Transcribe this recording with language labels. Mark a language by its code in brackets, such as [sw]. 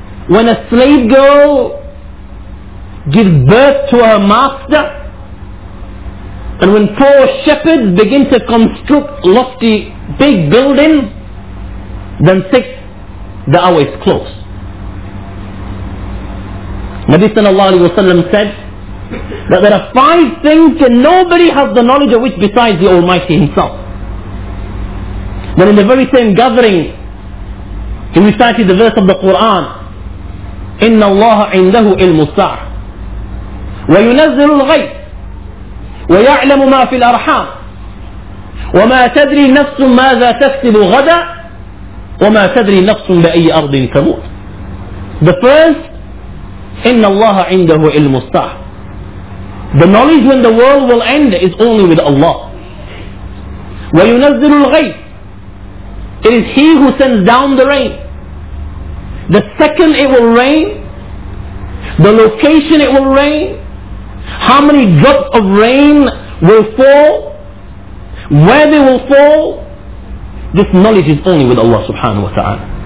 [en] When a slave girl gives birth to her master, and when poor shepherds begin to construct lofty big buildings, then six, the hour is close. Nabi sallallahu alayhi wa sallam said that there are five things that nobody has the knowledge of which besides the Almighty Himself. But in the very same gathering, He recited the verse of the Quran, [ar] إِنَّ اللَّهَ عِنْدَهُ الْمُسْتَعَ وَيُنَزِّلُ الْغَيْثِ وَيَعْلَمُ مَا فِي الْأَرْحَامِ وَمَا تَدْرِي نَفْسٌ مَاذَا تَكْسِبُ غَدًا وَمَا تَدْرِي نَفْسٌ بَأَيِّ أَرْضٍ تَمُوتُ. [en] The first, [ar] إِنَّ اللَّهَ عِنْدَهُ الْمُسْتَعَ. [en] The knowledge when the world will end is only with Allah. [ar] وَيُنَزِّلُ الْغَيْثِ. [en] It is He who sends down the rain. The second it will rain, the location it will rain, how many drops of rain will fall, where they will fall, this knowledge is only with Allah subhanahu wa ta'ala.